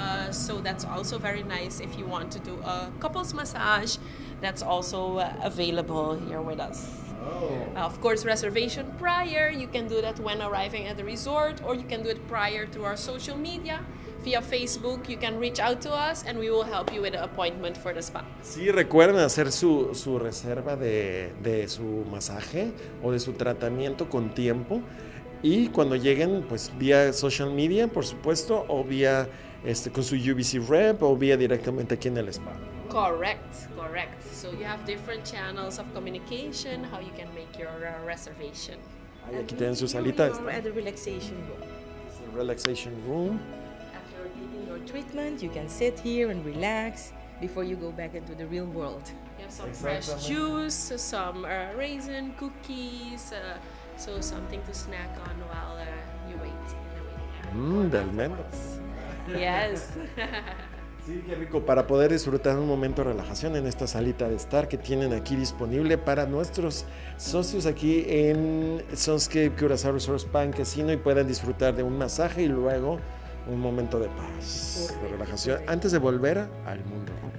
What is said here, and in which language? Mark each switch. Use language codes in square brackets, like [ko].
[en] So that's also very nice if you want to do a couples massage. That's also available here with us. Oh. Of course, reservation prior. You can do that when arriving at the resort, or you can do it prior through our social media. Via Facebook, you can reach out to us and we will help you with an appointment for the spa. [es] Sí, recuerden hacer su reserva de su masaje o de su tratamiento con tiempo. Y cuando lleguen, pues vía social media, por supuesto, o vía con su UBC rep o vía directamente aquí en el spa. [en] Correct, correct. So you have different channels of communication, how you can make your reservation. [es] Ay, aquí tienen su salita. [en] You are at the relaxation room. It's a relaxation room. In your treatment, you can sit here and relax before you go back into the real world. You have some fresh juice, some raisin, cookies, so something to snack on while you wait. [es] De almendras. [en] Yes. [es] Sí, qué rico. Para poder disfrutar un momento de relajación en esta salita de estar que tienen aquí disponible para nuestros socios aquí en Sunscape Curacao Resort Spa and Casino y puedan disfrutar de un masaje y luego un momento de paz, de relajación, antes de volver al mundo.